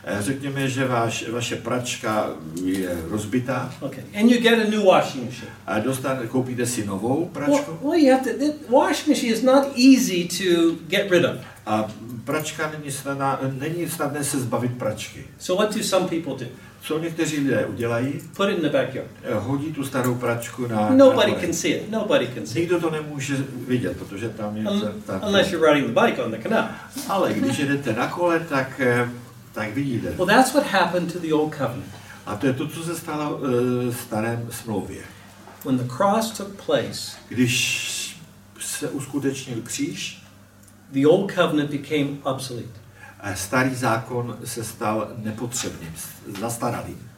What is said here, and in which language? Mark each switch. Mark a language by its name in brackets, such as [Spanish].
[Czech] Řekněme, že vaše pračka je rozbitá. [English] Okay. And you get a new washing machine. [Czech] A koupíte si novou pračku. [English] Well, the washing machine is not easy to get rid of. [Czech] A pračka není snadné se zbavit pračky. [English] So what do some people do? [Czech] Co někteří lidé udělají? [English] Put it in the backyard. [Czech] Hodí tu starou pračku na. [English] Nobody can see it. Nobody can see. [Czech] Nikdo to nemůže vidět, protože tam je. [English] Unless you're riding the bike on the canal. [Czech] Ale když jedete na kole, tak vidíte. [English] Well, that's what happened to the old covenant. [Czech] A to je to, co se stalo v starém smlouvě. [English] When the cross took place, [Czech] když se uskutečnil kříž, [English] the old covenant became obsolete. [Czech] A starý zákon se stal nepotřebným, zastaralým.